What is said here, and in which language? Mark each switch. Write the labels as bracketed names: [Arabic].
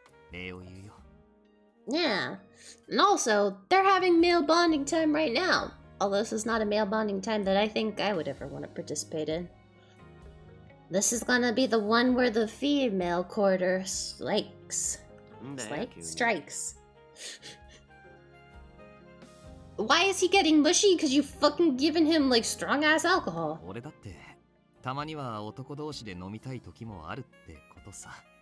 [Japanese] 礼を言うよ。 [English] Yeah. And also, they're having male bonding time right now. Although this is not a male bonding time that I think I would ever want to participate in. This is gonna be the one where the female quarter slakes. Slake? Strikes. Why is he getting mushy? Because you fucking given him like strong ass alcohol. [Japanese] 俺だって、たまには男同士で飲みたい時もあるってことさ。